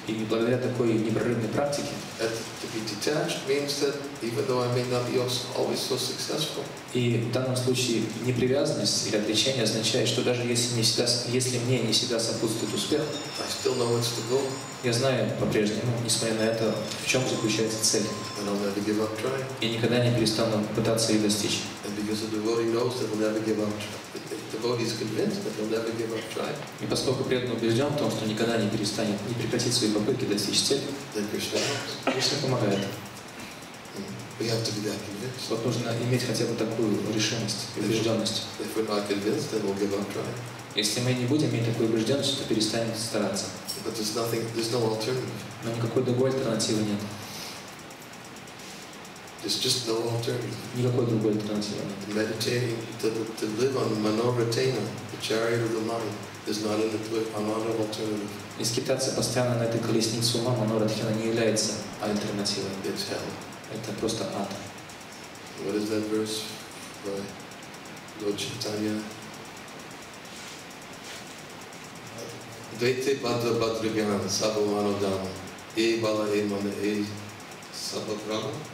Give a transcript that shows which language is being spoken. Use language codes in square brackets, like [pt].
[ru] И благодаря такой непрерывной практике. [en] To be detached means that even though I may not be always so successful. [ru] И в данном случае непривязанность или отречение означает, что даже если не всегда, если мне не всегда сопутствует успех. [en] I still know what's the goal. [ru] Я знаю по-прежнему, несмотря на это, в чем заключается цель. [en] And I'll never give up trying. [ru] И никогда не перестану пытаться ее достичь. [en] And because the devotee knows that he'll never give up trying. Devotee is convinced that he'll never give up trying. [ru] И поскольку преданный убежден в том, что никогда не перестанет, не прекратит свои попытки достичь цели, [en] then Krishna helps. [ru] Krishna помогает. [en] We have to be that convinced. [ru] Вот нужно иметь хотя бы такую решимость, убежденность. [en] If we're not convinced, then we'll give up trying. [ru] Если мы не будем иметь такую убежденность, то перестанем стараться. [en] But there's nothing, there's no alternative. [ru] Но никакой другой альтернативы нет. [en] It's just no alternative. [ru] Никакой другой альтернативы нет. [en] Meditating to live on Manoratena, the chariot of the mind, is not an alternative. [ru] И скитаться постоянно на этой колеснице ума Манорадхена не является альтернативой. [en] It's hell. [ru] Это просто ад. [en] What is that verse by Lord Chaitanya? Dvaita bhadra bhadra gyan sabha mano dhamma e bala e mana e sabha brahma.